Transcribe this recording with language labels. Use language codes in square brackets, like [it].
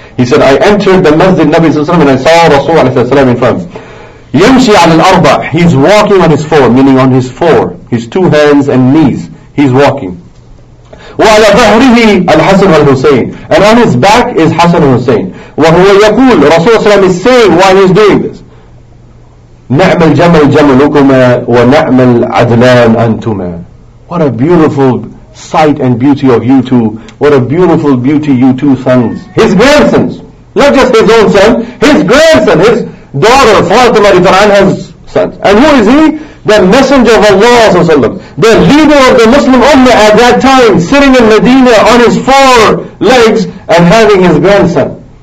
[en] He said, I entered the Masjid Nabi [ar] صلى الله عليه وسلم [en] and I saw Rasulullah in front. [ar] يمشي على الأربع, [en] he's walking on his four, meaning on his four, his two hands and knees, he's walking. [ar] وعلى ظهره الحسن والحسين, [en] and on his back is Hassan and Hussein. [ar] وهو يقول, رسول الله [en] is saying while he's doing this, [ar] نعم الجمل جملكما ونعم العدلان أنتما. [en] What a beautiful sight and beauty of you two. What a beautiful beauty you two sons. His grandsons. Not just his own son, his grandson, his daughter, Fatima has sons. And who is he? The messenger of Allah, the leader of the Muslim Ummah at that time, sitting in Medina on his four legs and having his grandson.